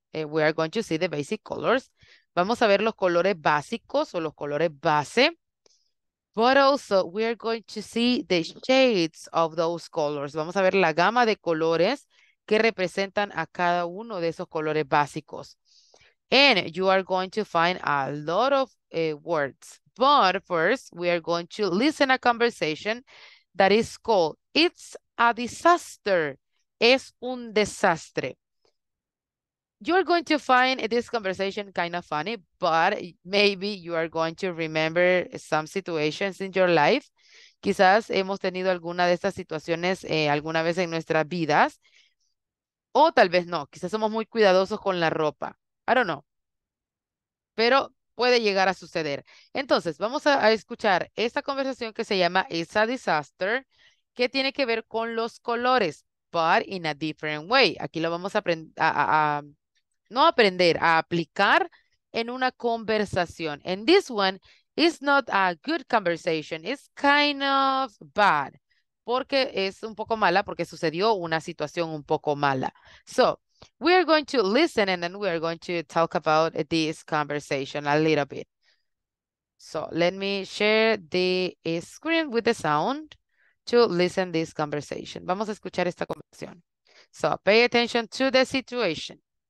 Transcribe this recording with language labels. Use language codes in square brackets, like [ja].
[en] We are going to see the basic colors. [es] Vamos a ver los colores básicos o los colores base. [en] But also, we are going to see the shades of those colors. [es] Vamos a ver la gama de colores que representan a cada uno de esos colores básicos. [en] And you are going to find a lot of words. But first, we are going to listen a conversation that is called, It's a disaster. [es] Es un desastre. [en] You're going to find this conversation kind of funny, but maybe you are going to remember some situations in your life. [es] Quizás hemos tenido alguna de estas situaciones alguna vez en nuestras vidas, o tal vez no, quizás somos muy cuidadosos con la ropa. [en] I don't know. [es] Pero puede llegar a suceder. Entonces, vamos a escuchar esta conversación que se llama It's a Disaster, que tiene que ver con los colores, [en] but in a different way. [es] Aquí lo vamos a aprender no aprender, a aplicar en una conversación. [en] And this one is not a good conversation. It's kind of bad. [es] Porque es un poco mala, porque sucedió una situación un poco mala. [en] So, we are going to listen and then we are going to talk about this conversation a little bit. So, let me share the screen with the sound to listen this conversation. [es] Vamos a escuchar esta conversación. [en] So, pay attention to the situation.